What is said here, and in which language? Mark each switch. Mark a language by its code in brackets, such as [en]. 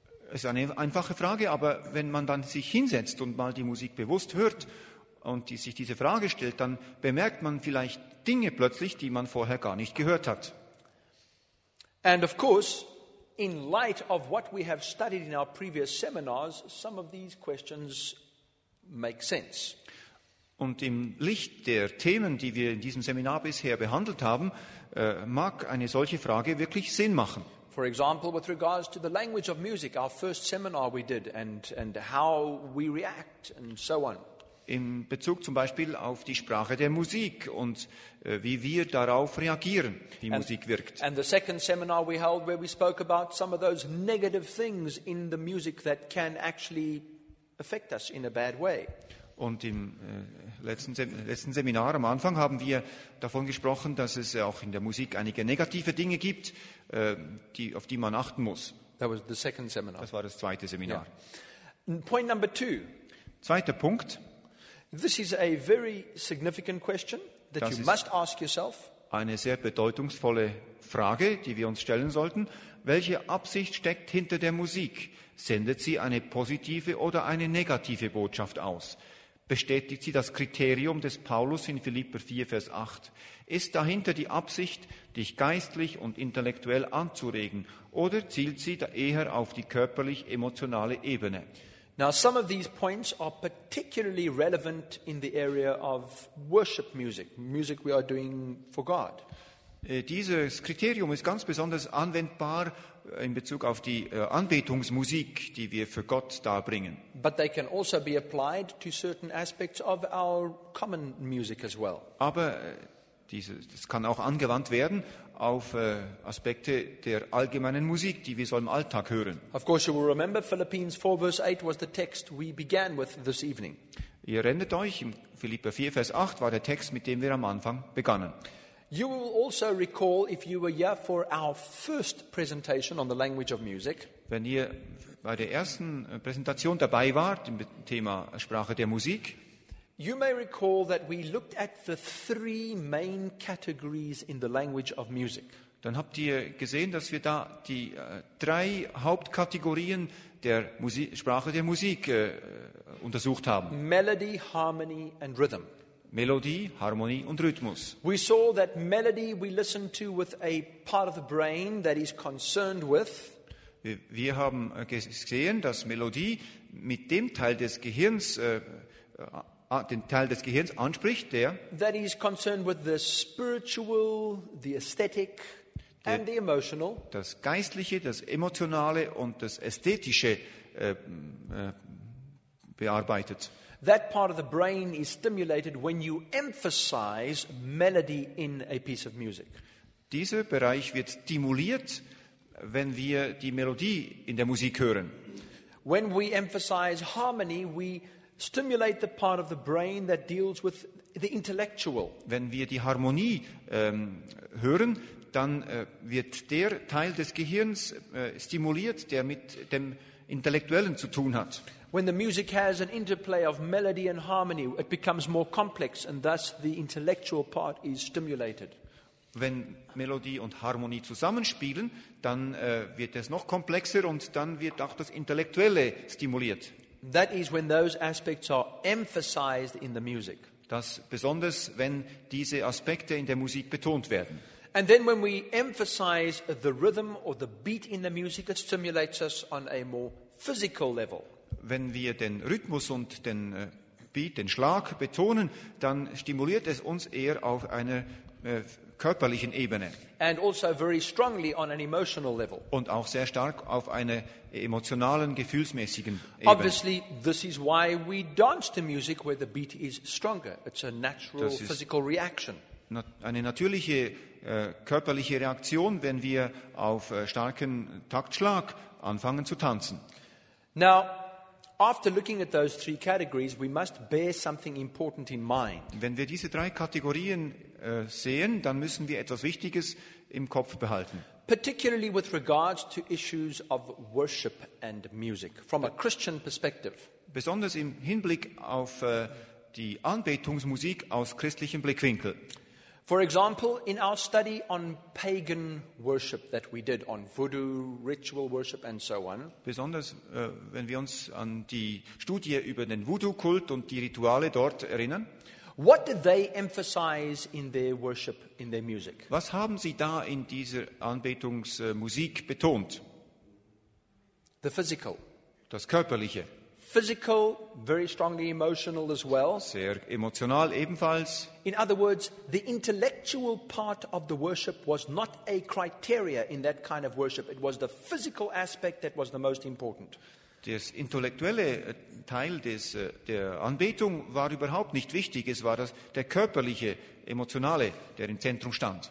[de] Es ist eine einfache Frage, aber wenn man dann sich hinsetzt und mal die Musik bewusst hört und sich diese Frage stellt, dann bemerkt man vielleicht Dinge plötzlich, die man vorher gar nicht gehört hat. [en] And of course, in light of what we have studied in our previous seminars, some of these questions make sense. [de] Und im Licht der Themen, die wir in diesem Seminar bisher behandelt haben, mag eine solche Frage wirklich Sinn machen. [en] For example, with regards to the language of music, our first seminar we did and how we react and so on. [de] In Bezug zum Beispiel auf die Sprache der Musik und wie wir darauf reagieren, wie Musik wirkt. [en] And the second seminar we held where we spoke about some of those negative things in the music that can actually affect us in a bad way. [de] Und im letzten Seminar am Anfang haben wir davon gesprochen, dass es auch in der Musik einige negative Dinge gibt, auf die man achten muss. [en] That was the second seminar. [de] Das war das zweite Seminar. [en] Yeah. Point number two. [de] Zweiter Punkt. [en] This is a very significant question that you must ask yourself. [de] Eine sehr bedeutungsvolle Frage, die wir uns stellen sollten. Welche Absicht steckt hinter der Musik? Sendet sie eine positive oder eine negative Botschaft aus? Bestätigt sie das Kriterium des Paulus in Philipper 4, Vers 8? Ist dahinter die Absicht, dich geistlich und intellektuell anzuregen? Oder zielt sie da eher auf die körperlich-emotionale Ebene? [en] Now some of these points are particularly relevant in the area of worship music, music we are doing for God. [de] Dieses Kriterium ist ganz besonders anwendbar in Bezug auf die Anbetungsmusik, die wir für Gott darbringen. [en] But they can also be applied to certain aspects of our common music as well. [de] Aber das kann auch angewandt werden auf Aspekte der allgemeinen Musik, die wir so im Alltag hören. [en] Of course you will remember Philippians 4 verse 8 was the text we began with this evening. [de] Ihr erinnert euch, im Philipper 4 Vers 8 war der Text, mit dem wir am Anfang begannen. [en] You will also recall if you were here for our first presentation on the language of music. [de] Wenn ihr bei der ersten Präsentation dabei wart im Thema Sprache der Musik, [en] you may recall that we looked at the three main categories in the language of music. [de] dann habt ihr gesehen, dass wir da die drei Hauptkategorien der Sprache der Musik untersucht haben. [en] Melody, Harmony and Rhythm. [de] Melodie, Harmonie und Rhythmus. [en] We saw that melody we listen to with a part of the brain that is concerned with. [de] Wir haben gesehen, dass Melodie mit dem Teil des Gehirns den Teil des Gehirns anspricht, der [en] that is concerned with the spiritual, the aesthetic and the emotional. [de] Das Geistliche, das Emotionale und das Ästhetische bearbeitet. [en] That part of the brain is stimulated when you emphasize melody in a piece of music. [de] Dieser Bereich wird stimuliert, wenn wir die Melodie in der Musik hören. [en] When we emphasize harmony, we stimulate the part of the brain that deals with the intellectual. [de] Wenn wir die Harmonie hören, dann wird der Teil des Gehirns stimuliert, der mit dem Intellektuellen zu tun hat. [en] When the music has an interplay of melody and harmony, it becomes more complex and thus the intellectual part is stimulated. [de] Wenn Melodie und Harmonie zusammenspielen, dann wird es noch komplexer und dann wird auch das Intellektuelle stimuliert. [en] That is when those aspects are emphasized in the music. [de] Das besonders, wenn diese Aspekte in der Musik betont werden. [en] And then when we emphasize the rhythm or the beat in the music, it stimulates us on a more physical level. [de] Wenn wir den Rhythmus und den Beat, den Schlag betonen, dann stimuliert es uns eher auf einer körperlichen Ebene. [en] And also very strongly on an emotional level. [de] Und auch sehr stark auf einer emotionalen, gefühlsmäßigen Ebene. [en] Obviously, this is why we dance to music where the beat is stronger. It's a natural physical reaction. [de] Eine natürliche körperliche Reaktion, wenn wir auf starken Taktschlag anfangen zu tanzen. [en] Now, after looking at those three categories, we must bear something important in mind. [de] Wenn wir diese drei Kategorien sehen, dann müssen wir etwas Wichtiges im Kopf behalten. [en] Particularly with regards to issues of worship and music, from a Christian perspective. [de] Besonders im Hinblick auf die Anbetungsmusik aus christlichem Blickwinkel. [en] For example, in our study on pagan worship that we did on voodoo, ritual worship and so on. [de] Besonders wenn wir uns an die Studie über den Voodoo-Kult und die Rituale dort erinnern. [en] What did they emphasize in their worship, in their music? [de] Was haben sie da in dieser Anbetungsmusik betont? [en] The physical. [de] Das Körperliche. [en] Physical, very strongly emotional as well. [de] Sehr emotional ebenfalls. [en] In other words, the intellectual part of the worship was not a criteria in that kind of worship. It was the physical aspect that was the most important. [de] Das intellektuelle Teil der Anbetung war überhaupt nicht wichtig. Es war der körperliche, emotionale, der im Zentrum stand.